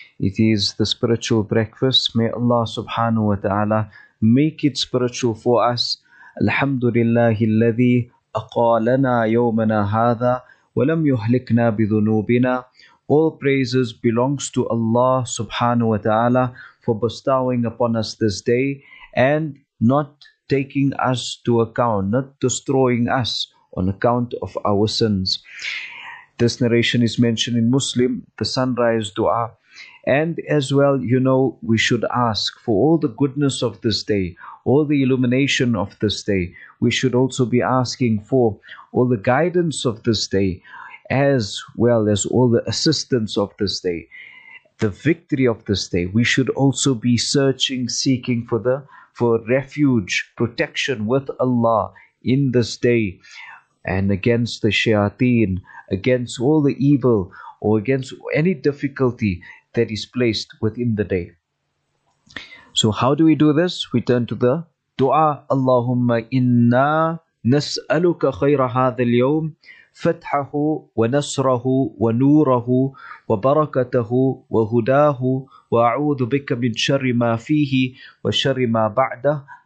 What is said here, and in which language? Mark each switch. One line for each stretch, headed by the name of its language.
English: It is the spiritual breakfast. May Allah subhanahu wa ta'ala make it spiritual for us.
Arabic: Alhamdulillah الذي أقالنا يومنا هذا ولم يهلكنا بذنوبنا.
English: All praises belongs to Allah subhanahu wa ta'ala for bestowing upon us this day and not taking us to account, not destroying us on account of our sins. This narration is mentioned in Muslim, the sunrise dua. And as well, you know, we should ask for all the goodness of this day, all the illumination of this day. We should also be asking for all the guidance of this day, as well as all the assistance of this day, the victory of this day. We should also be searching, seeking for refuge, protection with Allah in this day, and against the shayateen, against all the evil, or against any difficulty that is placed within the day. So how do we do this? We turn to the dua.
Arabic: Allahumma inna nas'aluka khayra hadha al-yawm, فتحه ونصره ونوره وبركته وهداه وأعوذ بك من شر ما فيه وشر ما بعده.